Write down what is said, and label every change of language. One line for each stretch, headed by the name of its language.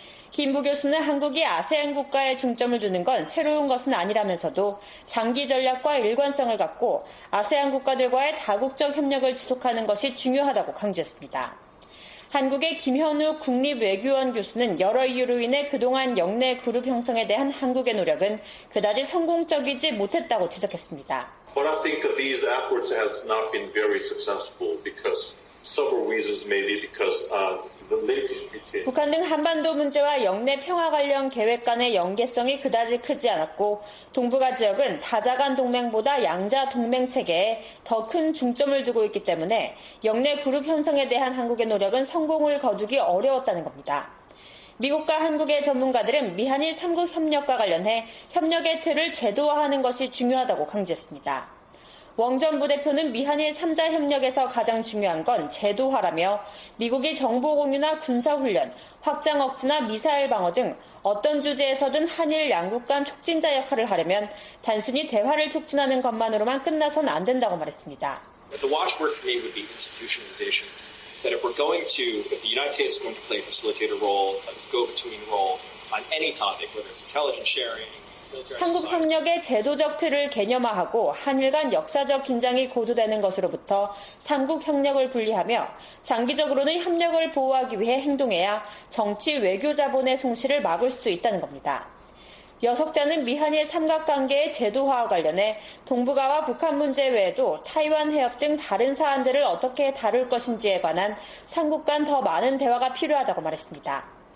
Korean: 김부 교수는 한국이 아세안 국가에 중점을 두는 건 새로운 것은 아니라면서도 장기 전략과 일관성을 갖고 아세안 국가들과의 다국적 협력을 지속하는 것이 중요하다고 강조했습니다. 한국의 김현우 국립외교원 교수는 여러 이유로 인해 그동안 영내 그룹 형성에 대한 한국의 노력은 그다지 성공적이지 못했다고 지적했습니다.
English: But I think that these efforts has not been very successful because several reasons maybe because The
Korean: 북한 등 한반도 문제와 영내 평화 관련 계획 간의 연계성이 그다지 크지 않았고 동북아 지역은 다자간 동맹보다 양자 동맹 체계에 더 큰 중점을 두고 있기 때문에 영내 그룹 형성에 대한 한국의 노력은 성공을 거두기 어려웠다는 겁니다. 미국과 한국의 전문가들은 미한일 3국 협력과 관련해 협력의 틀을 제도화하는 것이 중요하다고 강조했습니다. 웡 전 부대표는 미한일 3자 협력에서 가장 중요한 건 제도화라며 미국이 정보 공유나 군사훈련, 확장 억지나 미사일 방어 등 어떤 주제에서든 한일 양국 간 촉진자 역할을 하려면 단순히 대화를 촉진하는 것만으로만 끝나선 안 된다고 말했습니다.
English: The watchword for me would be institutionalization. That if the United States is going to play a facilitator role, a go-between role on any topic, whether it's intelligence sharing,
Korean: 3국 협력의 제도적 틀을 개념화하고 한일 간 역사적 긴장이 고조되는 것으로부터 3국 협력을 분리하며 장기적으로는 협력을 보호하기 위해 행동해야 정치 외교 자본의 손실을 막을 수 있다는 겁니다. 6자는 미한일 삼각관계의 제도화와 관련해 동북아와 북한 문제 외에도 타이완 해협 등 다른 사안들을 어떻게 다룰 것인지에 관한 3국 간 더 많은 대화가 필요하다고 말했습니다.